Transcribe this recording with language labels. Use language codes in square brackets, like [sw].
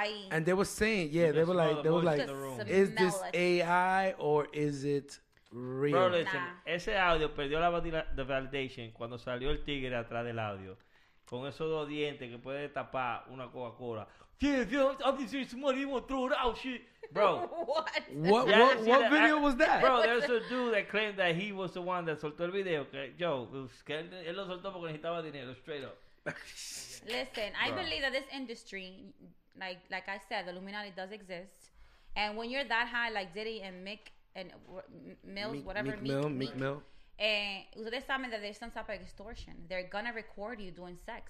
[en] And they were saying, yeah, they were like, is this AI or is it real? Bro, listen, nah. [es] Ese audio perdió la validation cuando salió el tigre atrás del audio. Con esos dos dientes que puede tapar una Coca-Cola. [en] Bro. What video was that? Bro, there's a dude that claimed that he was the one that [es] soltó el video. Que él lo soltó porque necesitaba dinero, [en] straight up. Listen, I believe that this industry, like I said, the Illuminati does exist. And when you're that high, like Diddy and Mick and Mills, Meek Mill. And [es] ustedes saben [en] that there's some type of extortion. They're gonna record you doing sex.